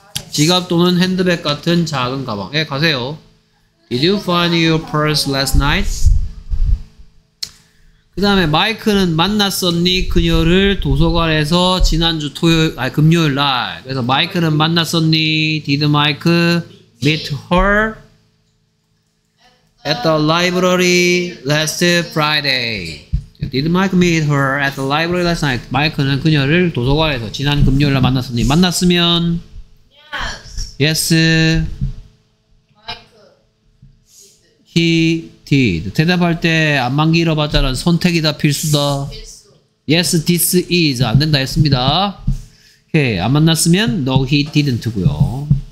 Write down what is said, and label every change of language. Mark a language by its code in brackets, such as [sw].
[ko] 지갑 또는 핸드백 같은 작은 가방. 예, 가세요. [en] Did you find your purse last night? [ko] 그 다음에 마이크는 만났었니? 그녀를 도서관에서 지난주 토요일, 아니 금요일 날. 그래서 마이크는 만났었니? [en] Did Mike meet her at the library last Friday? Did Mike meet her at the library last night? [ko] 마이크는 그녀를 도서관에서 지난 금요일 날 만났었니? 만났으면? [en] Yes. He did. [ko] 대답할 때 안만 길어봤자는 선택이다 필수다. [en] Yes, this is [ko] 안 된다 했습니다. 오케이, 안 만났으면 [en] no, he didn't [ko] 고요.